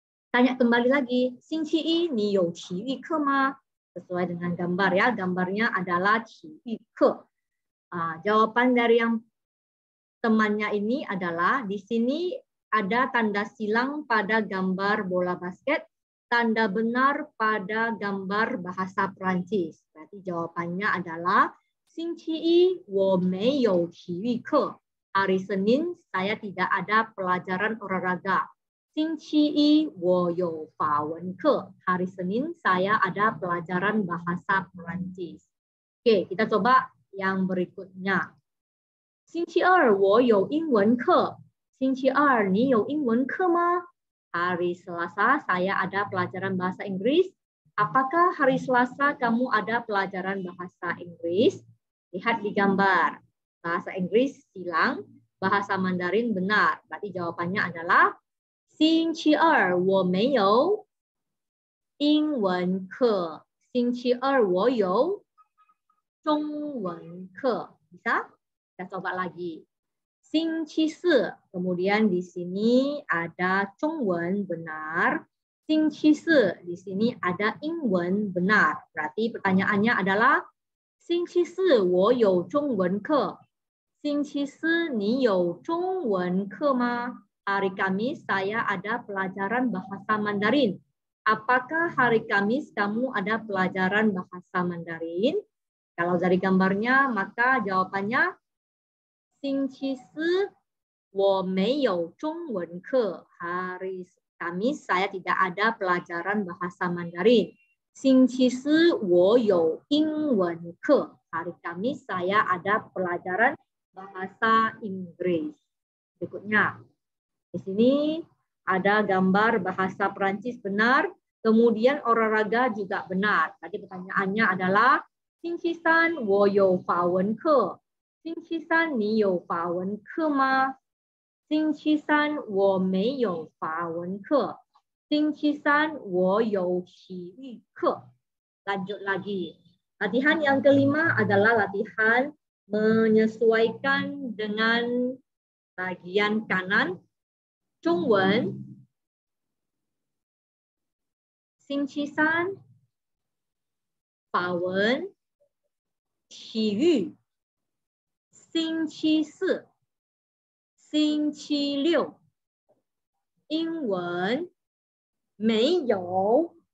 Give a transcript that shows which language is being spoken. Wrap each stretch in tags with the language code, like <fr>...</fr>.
<id>Tanya kembali lagi.</id> <zh>Xing qi yi ni you qi yu ke ma?</zh> <id>Sesuai dengan gambar ya. Gambarnya adalah</id> <zh>qi yu ke.</zh> <id>Jawaban dari yang temannya ini adalah di sini ada tanda silang pada gambar bola basket. Tanda benar pada gambar bahasa Perancis. Berarti jawabannya adalah</id> <zh>星期一我没有体育课。</zh> <id>Hari Senin saya tidak ada pelajaran olahraga。</id> <zh>星期一我有法文课。</zh> <id>Hari Senin saya ada pelajaran bahasa Perancis。 Oke, kita coba yang berikutnya。</id> <zh>星期二我有英文课。星期二你有英文课吗？</zh> <id>Hari Selasa saya ada pelajaran bahasa Inggris。 Apakah hari Selasa kamu ada pelajaran bahasa Inggris? Lihat di gambar, bahasa Inggris silang, bahasa Mandarin benar. Berarti jawabannya adalah</id> <zh>星期二我没有英文课。星期二我有中文课。</zh> <id>Bisa? Kita coba lagi. 星期四, kemudian di sini ada 中文benar. 星期四, di sini ada 英文benar. Berarti pertanyaannya adalah,</id> <zh>星期四我有中文课。星期四你有中文课吗？</zh> <id>Hari Kamis saya ada pelajaran bahasa Mandarin. Apakah hari Kamis kamu ada pelajaran bahasa Mandarin? Kalau dari gambarnya maka jawabannya</id> <zh>星期四我没有中文课。</zh> <id>Hari Kamis saya tidak ada pelajaran bahasa Mandarin.</id> <zh>星期四我有英文课。</zh> <id>Hari Kamis saya ada pelajaran bahasa Inggris. Berikutnya, di sini ada gambar bahasa Perancis benar. Kemudian olahraga juga benar. Tadi pertanyaannya adalah,</id> <zh>星期三我有法文课。星期三你有法文课吗？星期三我没有法文课。星期三我有体育课。</zh> <id>Lanjut lagi. Latihan yang kelima adalah latihan menyesuaikan dengan bagian kanan. 中文</id> <zh>星期三，法文，体育，星期四，星期六，英文，没有。</zh>